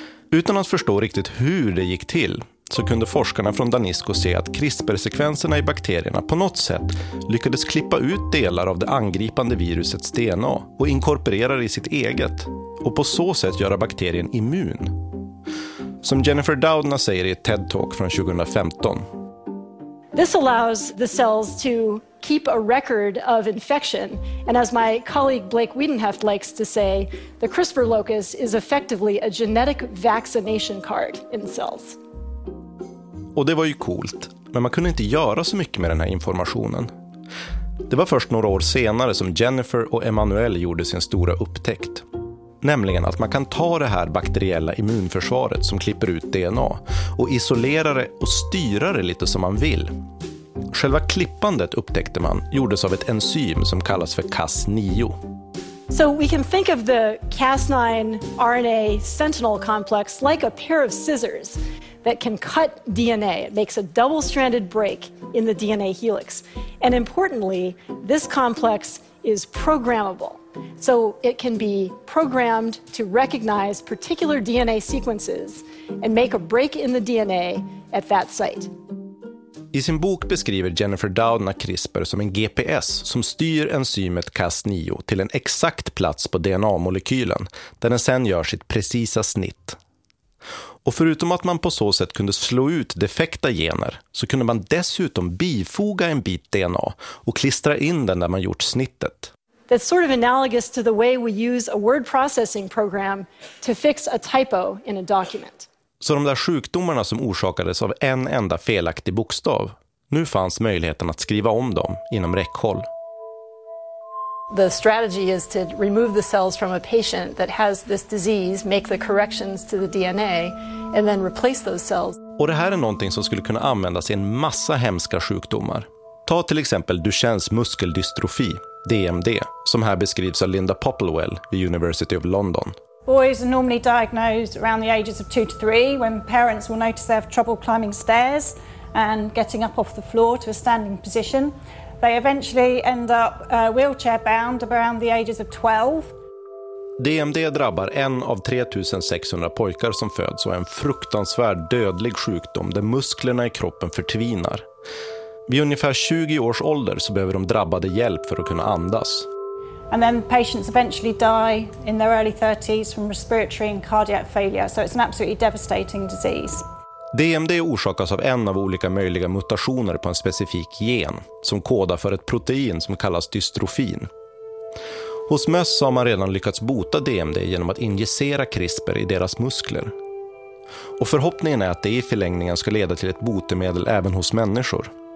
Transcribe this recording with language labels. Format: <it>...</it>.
<sv>Utan att förstå riktigt hur det gick till så kunde forskarna från Danisco se att CRISPR-sekvenserna i bakterierna på något sätt lyckades klippa ut delar av det angripande virusets DNA och inkorporera det i sitt eget och på så sätt göra bakterien immun. Som Jennifer Doudna säger i ett TED-talk från 2015.</sv> <en>This allows the cells to keep a record of infection. And as my colleague Blake Wiedenheft likes to say, the CRISPR locus is effectively a genetic vaccination card in cells.</en> <sv>Och det var ju coolt, men man kunde inte göra så mycket med den här informationen. Det var först några år senare som Jennifer och Emmanuel gjorde sin stora upptäckt. Nämligen att man kan ta det här bakteriella immunförsvaret som klipper ut DNA och isolera det och styra det lite som man vill. Själva klippandet, upptäckte man, gjordes av ett enzym som kallas för Cas9.</sv> <en>So we can think of the Cas9 RNA sentinel complex like a pair of scissors that can cut DNA. It makes a double-stranded break in the DNA helix. And importantly, this complex is programmable. So it can be programmed to recognize particular DNA sequences and make a break in the DNA at that site.</en> <sv>I sin bok beskriver Jennifer Doudna CRISPR som en GPS som styr enzymet Cas9 till en exakt plats på DNA-molekylen där den sen gör sitt precisa snitt. Och förutom att man på så sätt kunde slå ut defekta gener så kunde man dessutom bifoga en bit DNA och klistra in den där man gjort snittet.</sv> <en>That's sort of analogous to the way we use a word processing program to fix a typo in a document.</en> <sv>Så de där sjukdomarna som orsakades av en enda felaktig bokstav, nu fanns möjligheten att skriva om dem inom räckhåll.</sv> <en>The strategy is to remove the cells from a patient that has this disease, make the corrections to the DNA and then replace those cells.</en> <sv>Och det här är någonting som skulle kunna användas i en massa hemska sjukdomar. Ta till exempel Duchennes muskeldystrofi, DMD, som här beskrivs av Linda Popplewell vid University of London.</sv> <en>Boys are normally diagnosed around the ages of 2 to 3 when parents will notice they have trouble climbing stairs and getting up off the floor to a standing position. They eventually end up wheelchair bound around the ages of 12.</en> <sv>DMD drabbar en av 3600 pojkar som föds och är en fruktansvärd dödlig sjukdom där musklerna i kroppen förtvinar. Vid ungefär 20 års ålder så behöver de drabbade hjälp för att kunna andas.</sv> <en>And then patients eventually die in their early 30s from respiratory and cardiac failure. So it's an absolutely devastating disease.</en> <sv>DMD orsakas av en av olika möjliga mutationer på en specifik gen som kodar för ett protein som kallas dystrofin. Hos möss har man redan lyckats bota DMD genom att injicera CRISPR i deras muskler. Och förhoppningen är att det i förlängningen ska leda till ett botemedel även hos människor.</sv>